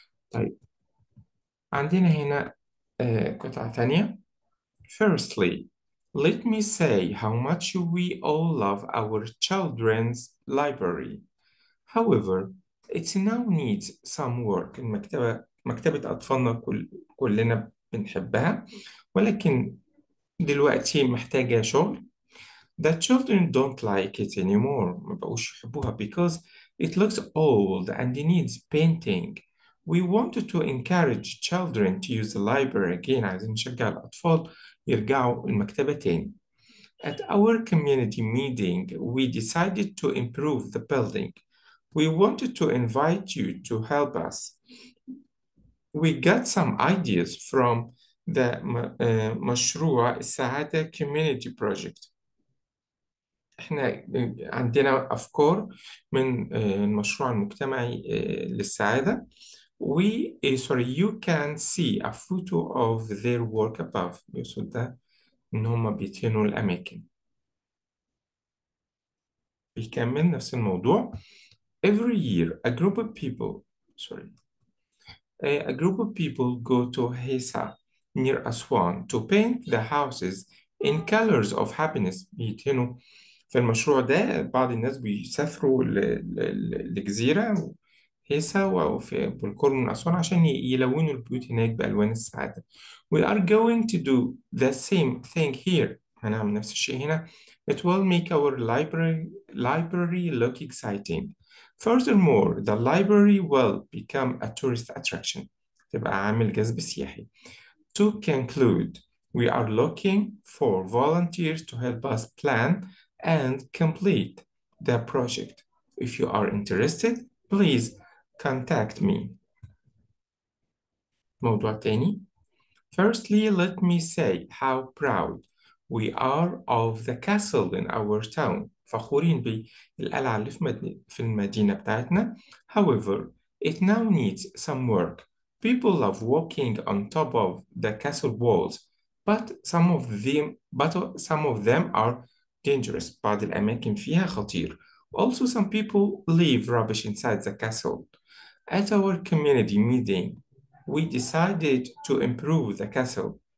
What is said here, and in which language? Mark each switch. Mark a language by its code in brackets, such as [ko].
[ar] طيب عندنا هنا قطعة تانية. [en] Firstly, let me say how much we all love our children's library. However, it now needs some work. [ar] مكتبة أطفالنا كلنا بنحبها، ولكن دلوقتي محتاجة شغل. [en] The children don't like it anymore. [ar] ما بقوش يحبوها [en] because it looks old and it needs painting. We wanted to encourage children to use the library again. [ar] عايزين نشجع الأطفال يرجعوا المكتبة تاني. [en] At our community meeting, we decided to improve the building. We wanted to invite you to help us. We got some ideas from the مشروع السعادة Community Project. [ar] إحنا عندنا أفكار من المشروع المجتمعي للسعادة. [en] Sorry, you can see a photo of their work above. [ar] يقصد ده إن هما بيتهنوا الأماكن. بيكمل نفس الموضوع. [en] Every year, a group of people go to Hisa near Aswan to paint the houses in colors of happiness. [ar] بيتهنوا في المشروع ده، بعض الناس بيسافروا للجزيرة هيسا وفي بالقرب من أسوان عشان يلونوا البيوت هناك بألوان السعادة. [en] We are going to do the same thing here. [ar] هنعمل نفس الشيء هنا. [en] It will make our library look exciting. Furthermore, the library will become a tourist attraction. [ar] تبقى عامل جذب سياحي. [en] To conclude, we are looking for volunteers to help us plan and complete the project. If you are interested, please contact me. [ar] موضوع تاني. [en] Firstly, let me say how proud we are of the castle in our town. [ar] فخورين بالقلعة اللي في المدينة بتاعتنا. [en] However, it now needs some work. People love walking on top of the castle walls, but some of them are dangerous. [ar] بعض الأماكن فيها خطير. [en] Also, some people leave rubbish inside the castle. At our community meeting, we decided to improve the castle.